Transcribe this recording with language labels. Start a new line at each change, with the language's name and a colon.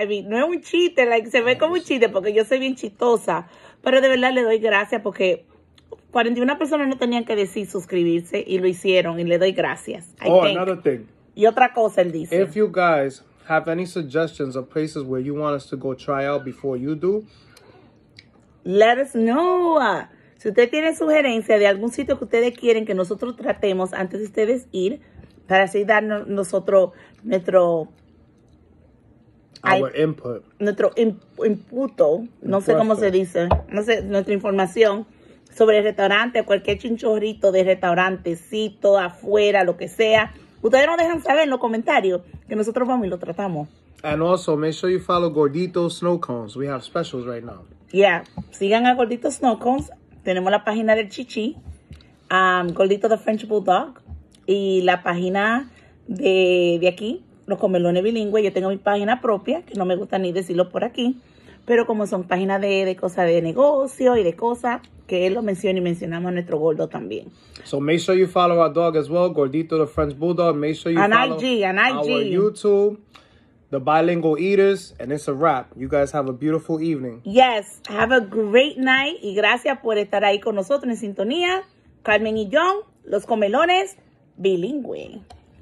English: I mean,
Spanish: no es un chiste, like, se ve como un chiste porque yo soy bien chistosa. Pero de verdad le doy gracias porque 41 personas no tenían que decir suscribirse y lo hicieron y le doy gracias.
English: Another thing.
Spanish: Y otra cosa él dice.
English: If you guys have any suggestions of places where you want us to go try out before you do, let us know.
Spanish: Si usted tiene sugerencia de algún sitio que ustedes quieren que nosotros tratemos antes de ustedes ir, para así darnos nosotros nuestro
English: our input.
Spanish: Nuestro inputo, no sé cómo se dice, no sé, nuestra información sobre el restaurante, cualquier chinchorrito de restaurantecito, afuera, lo que sea. Ustedes nos dejan saber en los comentarios que nosotros vamos y lo tratamos.
English: And also, make sure you follow Gordito Snow Cones. We have specials right now.
Spanish: Yeah, sigan a Gordito Snow Cones. Tenemos la página del Chichi, Gordito the French Bulldog, y la página de aquí, Los Comelones Bilingües. Yo tengo mi página propia, que no me gusta ni decirlo por aquí, pero como son páginas de cosas de negocio y de cosas, que él lo menciona y mencionamos a nuestro gordo también.
English: So make sure you follow our dog as well, Gordito the French Bulldog. Make sure you follow our YouTube, The Bilingual Eaters, and it's a wrap. You guys have a beautiful evening. Yes, have a great night.
Spanish: Y gracias por estar ahí con nosotros en sintonía. Carmen y John, Los Comelones Bilingües.